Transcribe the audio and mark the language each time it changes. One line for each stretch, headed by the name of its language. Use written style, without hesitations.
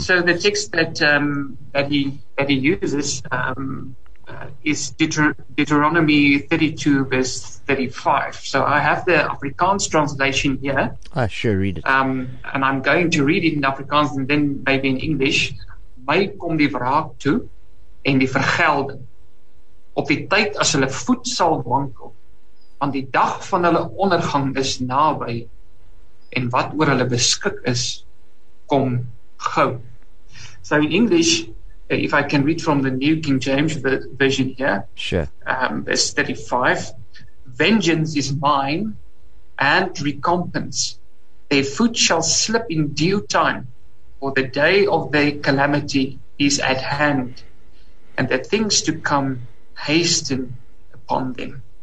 English: So the text that he uses is Deuteronomy 32 verse 35. So I have the Afrikaans translation here. I sure read it. And I'm going to read it in Afrikaans and then maybe in English.
Afrikaans: My kom die wraak toe en die vergelding op die tyd as hulle voet sal wankel, want die dag van hulle ondergang is naby. En wat oor hulle beskik is, kom gou.
English: So in English, if I can read from the New King James version here, sure. Verse 35, vengeance is mine and recompense. Their foot shall slip in due time, for the day of their calamity is at hand, and the things to come hasten upon them.